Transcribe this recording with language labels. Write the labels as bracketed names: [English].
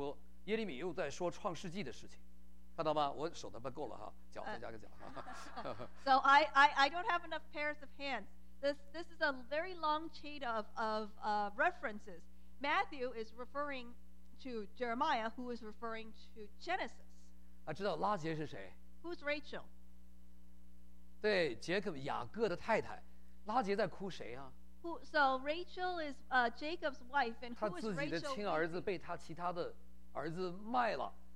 [Chinese] 这个是马太,在说耶利米又在说创世纪的事情。 [English] So I don't have enough pairs of hands. This is a very long chain of references. Matthew is referring to Jeremiah, who is referring to Genesis. [Chinese] 知道拉结是谁? [English] Who's Rachel? [Chinese] 对,雅各的太太,拉结在哭谁啊? [English] So Rachel is Jacob's wife, and who is Rachel? [Chinese] 他自己的亲儿子被他其他的儿子卖了。